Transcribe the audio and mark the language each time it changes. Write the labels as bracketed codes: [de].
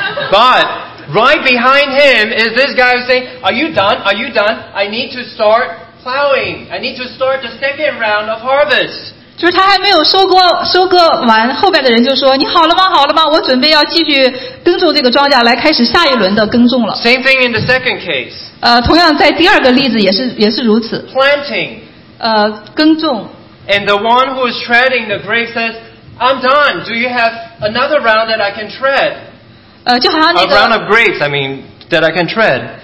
[en] But right behind him is this guy saying, "Are you done? Are you done? I need to start plowing. I need to start the second round of harvest." [zh] 就是他还没有收割完，后面的人就说：“你好了吗？好了吗？我准备要继续耕种这个庄稼，来开始下一轮的耕种了。” [en] Same thing in the second case. [zh] 同样在第二个例子也是如此。 [en] Planting. [zh] 耕种。 [en] And the one who is treading the grape says, "I'm done. Do you have another round that I can tread?" [zh] 就好像那个 [en] a round of grapes, I mean, that I can tread.